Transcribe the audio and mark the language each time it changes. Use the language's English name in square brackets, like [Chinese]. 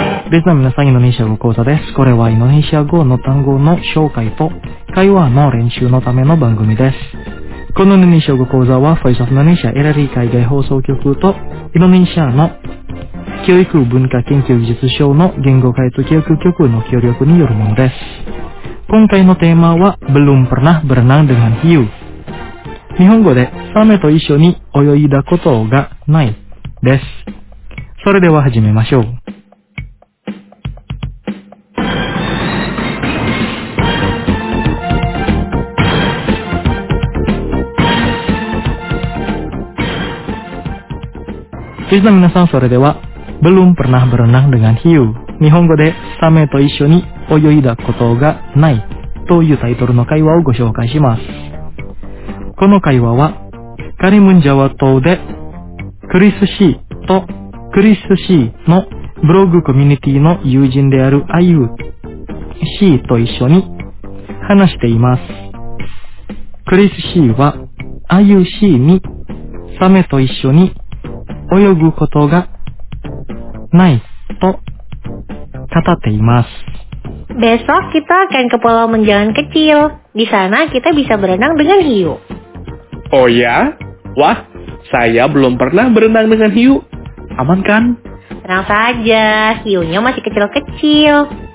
[Japanese] 別の皆さん、インドネシア語講座です。これはインドネシア語の単語の紹介と会話の練習のための番組です。このインドネシア語講座はフォイスオフインドネシアエラリー海外放送局とインドネシアの教育文化研究技術省の言語開発企画局の協力によるものです。今回のテーマは、 [Indonesian] belum pernah berenang dengan hiu。 [Japanese] 日本語で、サメと一緒に泳いだことがないです。それでは始めましょう。リスナー皆さん、それでは、 [Indonesian] belum pernah berenang dengan hiu。 [Japanese] 日本語でサメと一緒に泳いだことがないというタイトルの会話をご紹介します。この会話はカリムンジャワ島でクリスシーとクリスシーのブログコミュニティの友人であるアユーシーと一緒に話しています。クリスシーはアユーシーにサメと一緒に泳ぐことがないと語っています。 [Indonesian] Besok kita akan ke pulau menjangan kecil. Di sana kita bisa berenang dengan hiu. Oh ya? Wah, saya belum pernah berenang dengan hiu. Aman kan? Tenang saja, hiunya masih kecil-kecil.